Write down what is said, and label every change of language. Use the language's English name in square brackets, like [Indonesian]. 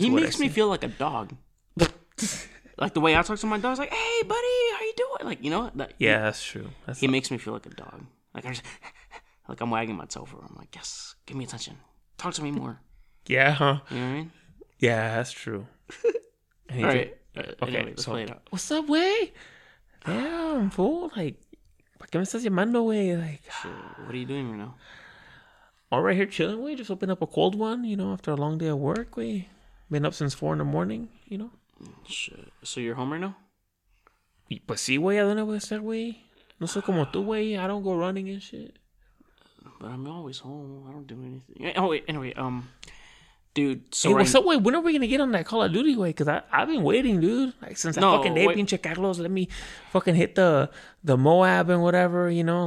[English] to what I say. He makes me feel like a dog. Like, the way I talk to my dog, is like, hey, buddy, how you doing? Like, you know what? That's true. That's he awesome. Makes me feel like a dog. Like, I'm wagging my tail for him. I'm like, yes, give me attention. Talk to me more. Yeah, huh? You know what I mean? Yeah, that's true. All right. Okay, anyway, let's play it out. What's up, wey? Damn, fool. Like, [Spanish] ¿para qué me estás llamando, wey? [English] Like, so, what are you doing right now? All right here, chilling, wey. Just opened up a cold one, you know, after a long day of work, wey. Been up since 4 a.m, you know? Shit. So you're home right now? [Spanish] Pues sí, güey. ¿A dónde voy a estar, güey? No soy como tú, güey. [English] I don't go running and shit. But I'm always home. I don't do anything. Oh, wait. Anyway, dude. So hey, what's up, güey? When are we going to get on that Call of Duty, güey? Because I've been waiting, dude. Like, since that fucking day, pinche Carlos, let me fucking hit the Moab and whatever, you know?